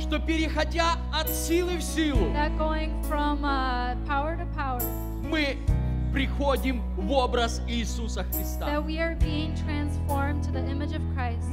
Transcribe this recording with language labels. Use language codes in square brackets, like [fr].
[ru] что переходя от силы в силу, [en] that going from, power to power, [ru] мы приходим в образ Иисуса Христа. [en] That we are being transformed to the image of Christ.